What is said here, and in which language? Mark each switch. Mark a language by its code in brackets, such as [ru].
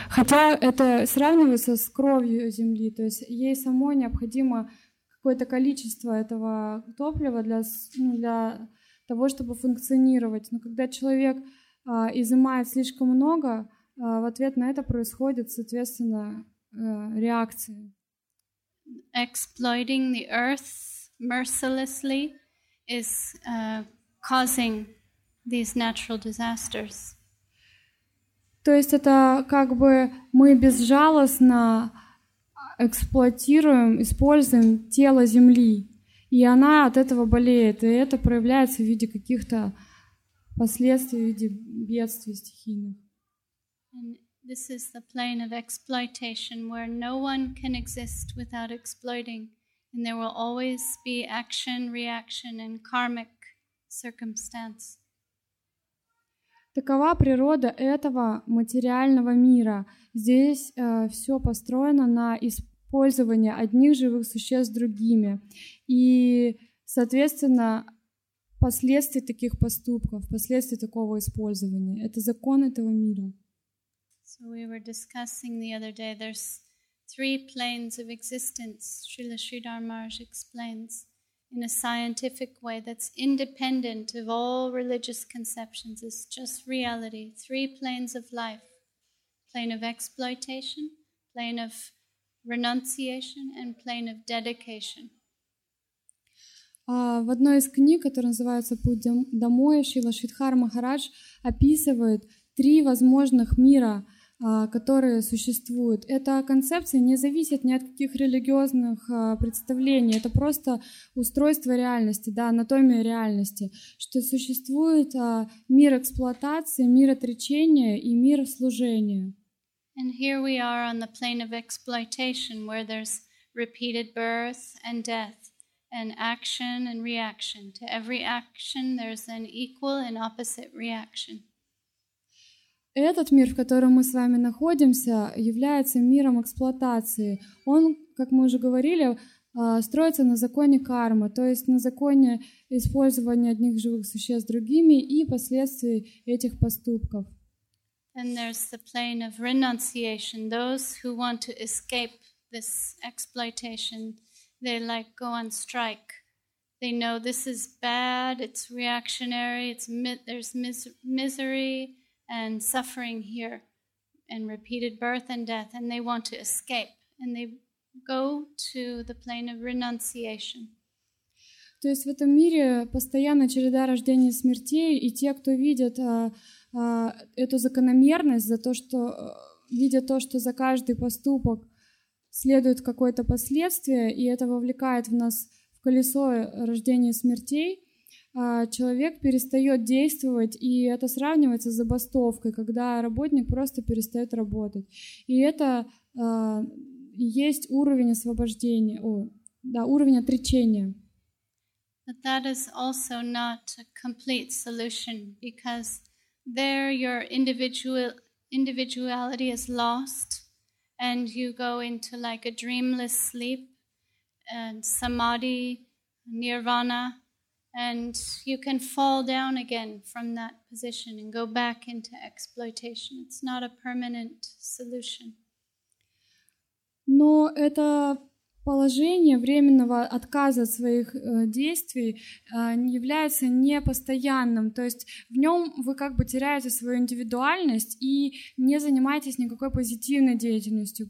[ru] Хотя это сравнивается с кровью земли, то есть ей самой необходимо какое-то количество этого топлива для того, чтобы функционировать. Но когда человек изымает слишком много, в ответ на это происходит, соответственно, реакция. [en] Exploiting the earth mercilessly is causing these natural disasters. [ru] То есть это как бы мы безжалостно эксплуатируем, используем тело земли, и она от этого болеет, и это проявляется в виде каких-то последствий, в виде бедствий стихийных. [en] This is the plane of exploitation where no one can exist without exploiting, and there will always be action, reaction, and karmic circumstance. [ru] Такова природа этого материального мира. Здесь все построено на использовании одних живых существ другими, и, соответственно, последствия таких поступков, последствия такого использования. Это закон этого мира. [en] So we were discussing the other day, there's three planes of existence, Srila Sridhar Maharaj explains, in a scientific way that's independent of all religious conceptions, it's just reality. Three planes of life, plane of exploitation, plane of renunciation, and plane of dedication. [ru] В одной из книг, которая называется «Путь домой», Шрила Шридхар Махарадж описывает три возможных мира, которые существуют. Эта концепция не зависит ни от каких религиозных представлений, это просто устройство реальности, да, анатомия реальности, что существует мир эксплуатации, мир отречения и мир служения. [en] And here we are on the plane of exploitation, where there's repeated birth and death, and action and reaction. To every action there's an equal and opposite reaction. [ru] Этот мир, в котором мы с вами находимся, является миром эксплуатации. Он, как мы уже говорили, строится на законе кармы, то есть на законе использования одних живых существ другими и последствий этих поступков. [en] And there's the plane of renunciation. Those who want to escape this exploitation, they like go on strike. They know this is bad, it's reactionary, there's misery and suffering here, and repeated birth and death, and they want to escape. And they go to the plane of renunciation. [ru] То есть в этом мире постоянно череда рождения и смерти, и те, кто видят эту закономерность за то, что видят то, что за каждый поступок следует какое-то последствие, и это вовлекает в нас в колесо рождения и смертей, человек перестает действовать, и это сравнивается с забастовкой, когда работник просто перестает работать. И это есть уровень освобождения, уровень отречения. [en] But that is also not a complete solution, because there your individuality is lost and you go into like a dreamless sleep and samadhi, nirvana, and you can fall down again from that position and go back into exploitation. It's not a permanent solution. [ru] Но это положение временного отказа от своих действий является непостоянным. То есть в нем вы как бы теряете свою индивидуальность и не занимаетесь никакой позитивной деятельностью.